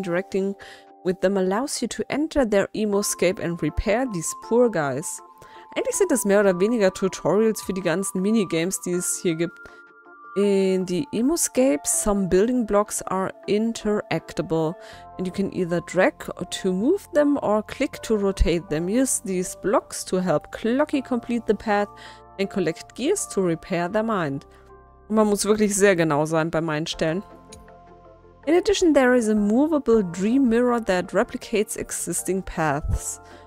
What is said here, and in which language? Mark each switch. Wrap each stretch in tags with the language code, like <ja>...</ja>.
<en>Interacting with them allows you to enter their emoscape and repair these poor guys.</en> <de>Eigentlich sind das mehr oder weniger Tutorials für die ganzen Minigames, die es hier gibt.</de> <en>In the emoscape, some building blocks are interactable and you can either drag to move them or click to rotate them. Use these blocks to help Clocky complete the path and collect gears to repair their mind.</en> <de>Man muss wirklich sehr genau sein bei meinen Stellen.</de> <en>In addition, there is a movable dream mirror that replicates existing paths.</en>